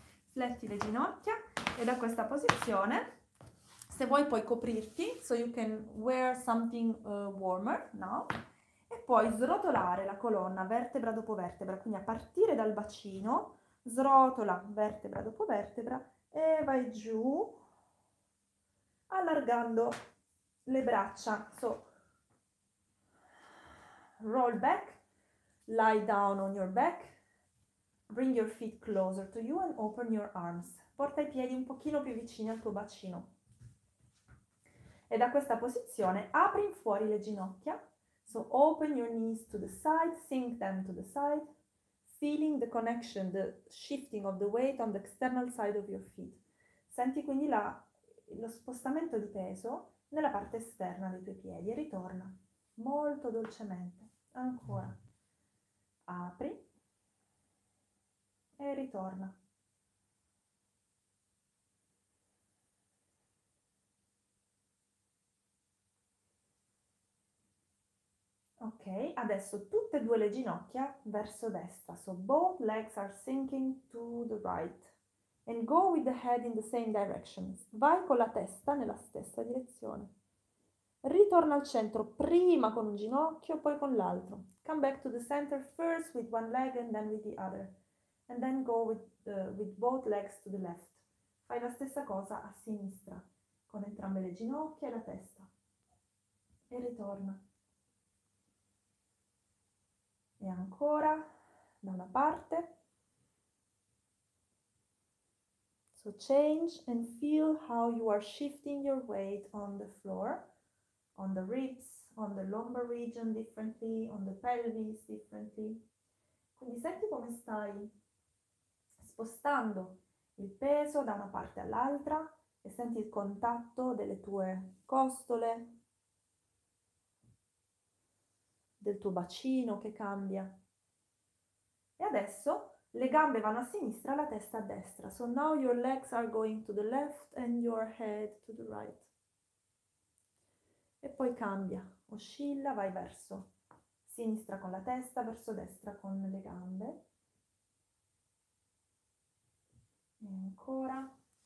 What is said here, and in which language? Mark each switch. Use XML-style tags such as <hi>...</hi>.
<it>Fletti le ginocchia e da questa posizione, se vuoi puoi coprirti,</it> <en>so you can wear something warmer now,</en> <it>e puoi srotolare la colonna vertebra dopo vertebra, quindi a partire dal bacino, srotola vertebra dopo vertebra e vai giù allargando le braccia.</it> <en>So, roll back, lie down on your back. Bring your feet closer to you and open your arms.</en> <it>Porta i piedi un pochino più vicini al tuo bacino. E da questa posizione apri in fuori le ginocchia.</it> <en>So open your knees to the side, sink them to the side, feeling the connection, the shifting of the weight on the external side of your feet.</en> <it>Senti quindi lo spostamento di peso nella parte esterna dei tuoi piedi e ritorna molto dolcemente. Ancora. Apri. E ritorna. Ok, adesso tutte e due le ginocchia verso destra.</it> <en>So both legs are sinking to the right. And go with the head in the same direction.</en> <it>Vai con la testa nella stessa direzione. Ritorna al centro prima con un ginocchio, poi con l'altro.</it> <en>Come back to the center first with one leg and then with the other. And then go with both legs to the left.</en> <it>Fai la stessa cosa a sinistra, con entrambe le ginocchia e la testa. E ritorna. E ancora, da una parte.</it> <en>So change and feel how you are shifting your weight on the floor, on the ribs, on the lumbar region differently, on the pelvis differently.</en> <it>Quindi senti come stai spostando il peso da una parte all'altra e senti il contatto delle tue costole, del tuo bacino che cambia. E adesso le gambe vanno a sinistra, la testa a destra.</it> <en>So now your legs are going to the left and your head to the right.</en> <it>E poi cambia, oscilla, vai verso sinistra con la testa, verso destra con le gambe. E ancora.</it>